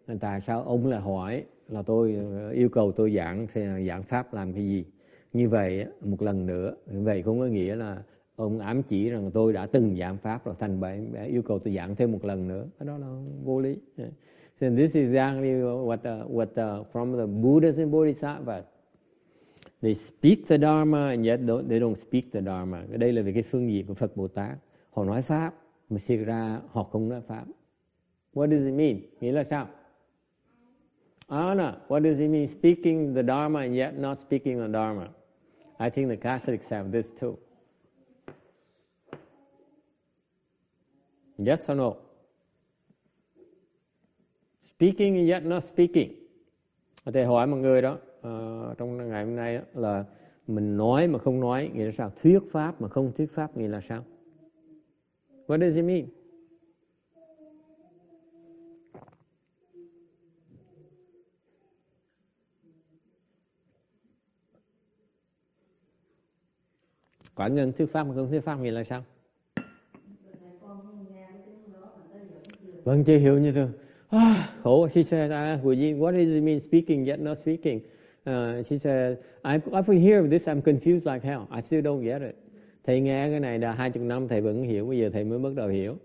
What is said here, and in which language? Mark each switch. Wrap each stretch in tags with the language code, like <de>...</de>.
<vi>Tại sao ông lại hỏi là tôi yêu cầu tôi giảng thì giảng pháp làm cái gì? Như vậy một lần nữa, vậy không có nghĩa là ông ám chỉ rằng tôi đã từng giảng pháp rồi, thành vậy yêu cầu tôi giảng thêm một lần nữa, cái đó là vô lý.</vi> <en>So this is exactly what from the Buddhas and Bodhisattvas, they speak the Dharma and yet they don't speak the Dharma.</en> <vi>Đây là về cái phương diện của Phật Bồ Tát, họ nói pháp mà thực ra họ không nói pháp.</vi> <en>What does it mean?</en> <vi>Nghĩa là sao?</vi> <en>Anna, what does it mean speaking the Dharma and yet not speaking the Dharma? I think the Catholics have this too. Yes or no? Speaking and yet not speaking.</en> <vi>Có thể hỏi mọi người đó, trong ngày hôm nay đó, là mình nói mà không nói nghĩa là sao? Thuyết pháp mà không thuyết pháp nghĩa là sao?</vi> <en>What does it mean?</en> <vi>Quả nhân thuyết pháp mà không thuyết pháp nghĩa là sao? Vâng, chưa hiểu như thế. Khổ.</vi> <en>She said, what does it mean speaking yet not speaking? She said, I often hear this, I'm confused like hell. I still don't get it.</en> <vi>Thầy nghe cái này đã 20 năm, thầy vẫn hiểu. Bây giờ thầy mới bắt đầu hiểu.</vi>